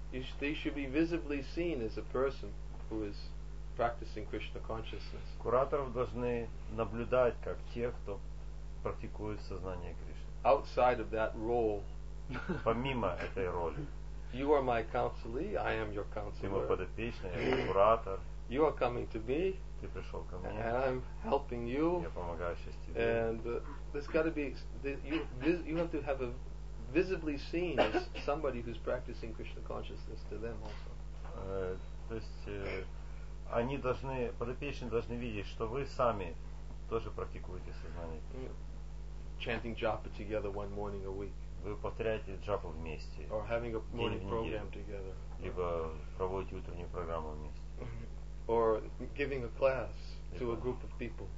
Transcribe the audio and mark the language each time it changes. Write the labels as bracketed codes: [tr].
[en] They should be visibly seen as a person who is practicing Krishna consciousness. [ru] Кураторов должны наблюдать как тех, кто практикует сознание Кришны. [en] Outside of that role, [ru] помимо этой роли, [en] you are my counselee. I am your counselor. [ru] Ты мой подопечный, я куратор. [en] You are coming to me. [ru] ты пришел ко мне. [en] And I'm helping you. [ru] Я помогаю сейчас тебе. [en] And this got to be you have to have a visibly seen as somebody who's practicing Krishna consciousness to them also. [ru] То есть они должны, подопечные должны видеть, что вы сами тоже практикуете сознание. [en] Chanting japa together one morning a week. [ru] Вы повторяете джапу вместе. [en] Or having a morning program together. [ru] Либо проводите утреннюю программу вместе. [en] Or giving a class to a group of people.